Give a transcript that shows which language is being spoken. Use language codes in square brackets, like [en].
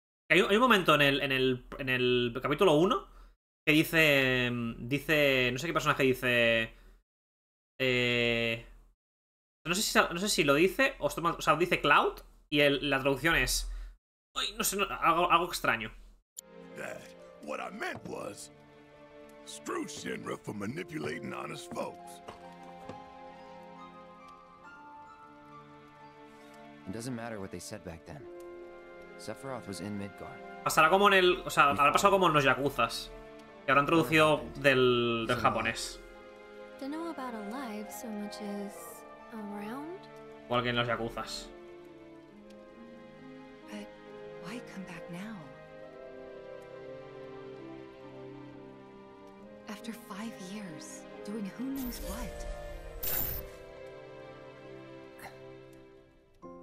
[es] Hay un momento en el capítulo 1 que dice no sé qué personaje dice no sé si lo dice o esto mal, o sea, dice Cloud y la traducción es uy, no sé, algo extraño. [en] That, what I meant was, screw Shinra for manipulating honest folks. It doesn't matter what they said back then. Sephiroth was in Midgar. [es] Pasará como en el, o sea, habrá pasado como en los yakuzas, que habrán traducido del japonés. [en] Don't know about alive so much as around. [es] O alguien en los yakuzas. [en] Why come back now? After 5 years, doing who knows what?